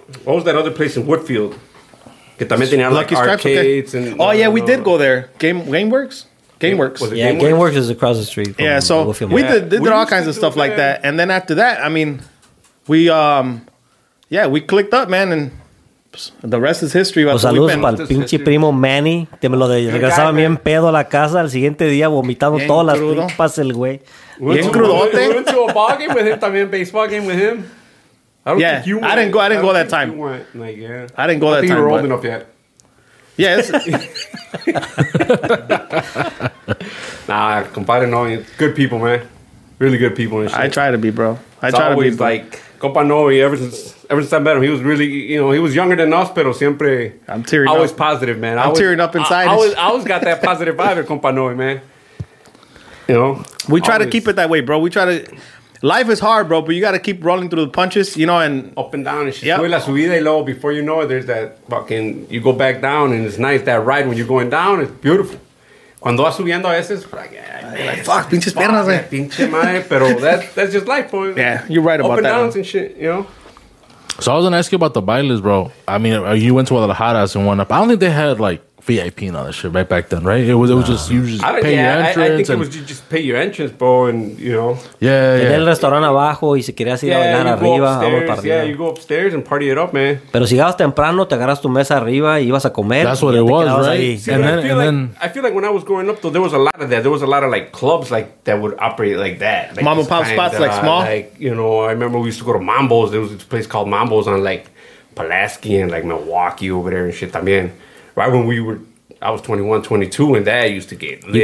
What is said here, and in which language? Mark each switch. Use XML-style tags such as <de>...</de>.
<en>What was that other place in Woodfield?</en> <es>Que también tenía</es> <en>like arcades. Okay. And, we did go there. Gameworks? Gameworks. Gameworks is across the street. Yeah, so we did all kinds of stuff like that. And then after that, I mean, we clicked up, man, and the rest is history.</en> <es>Pues saludos para el pinche primo Manny. Te me lo regresaba bien pedo a la casa al siguiente día, vomitando todas las tripas el güey. Bien crudote.</es> <en>We went to a ball game with him,</en> <es>también</es> <en>baseball game with him. I didn't go that time. I didn't go that time. You were old enough yet. Yes. Nah, compadre, no. Good people, man. Really good people and shit. I try to be, bro. I try to be. Like, compa Noe, ever since I met him, he was really, you know, he was younger than us,</en> <es>pero siempre.</es> <en>I'm tearing up. Always positive, man. I'm tearing up inside. I always got that positive vibe at compa Noe, man. You know? We try to keep it that way, bro. We try to. Life is hard, bro, but you got to keep rolling through the punches, you know, and. Up and down and shit.</en> <es>Sube la subida y luego,</es> <en>before you know it, there's that fucking. You go back down and it's nice, that ride when you're going down, it's beautiful.</en> <es>Cuando vas subiendo a veces, fuck, pinches piernas, man. Pinche madre, pero</es> <en>that's just life, boy. Yeah, you're right about up that. Up and downs and shit, you know? So I was going to ask you about the bailes, bro. I mean, you went to Guadalajara's and went up. I don't think they had, like, VIP and all that shit right back then, right? It was just pay your entrance, bro, and, you know. Yeah.</en> <es>En el restaurante abajo y si querías ir a bailar arriba, vamos para arriba.</es> <en>Yeah, you go upstairs and party it up, man.</en> <es>Pero si llegabas temprano, te agarras tu mesa arriba y ibas a comer.</es> <en>That's what it was, right? I feel like when I was growing up, though, there was a lot of that. There was a lot of, like, clubs, like, that would operate like that. Like Mom and pop spots, like, small? Like, you know, I remember we used to go to Mambo's. There was this place called Mambo's on, like, Pulaski and, like, Milwaukee over there and shit</en> <es>también.</es> <en>Right when I was 21, 22, and that used to get lit.</en>